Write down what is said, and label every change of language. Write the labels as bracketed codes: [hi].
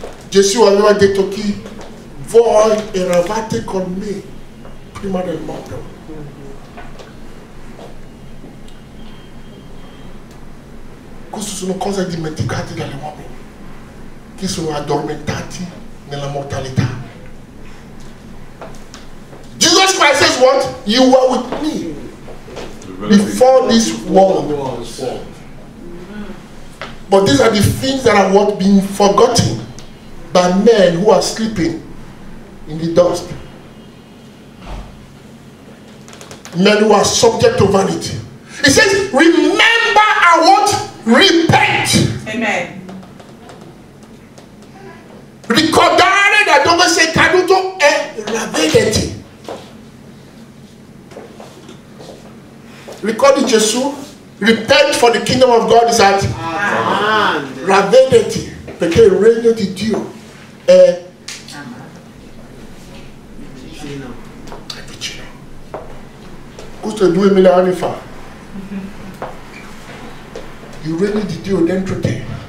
[it] Gesù aveva detto che voi eravate con me prima del mondo. Queste sono cose dimenticate dagli uomini che sono addormentati nella mortalità. [en] Jesus Christ says what? You were with me before this world was formed. But these are the things that are what being forgotten by men who are sleeping in the dust. Men who are subject to vanity. He says, remember and what? Repent. Amen. [it] Ricordare da dove sei caduto e ravvederti. Ricordi Gesù? [en] Repent for the kingdom of God is at hand. [it] Ravvederti perché il regno di Dio è vicino. Questo è 2000 anni fa. Il regno di Dio è dentro te.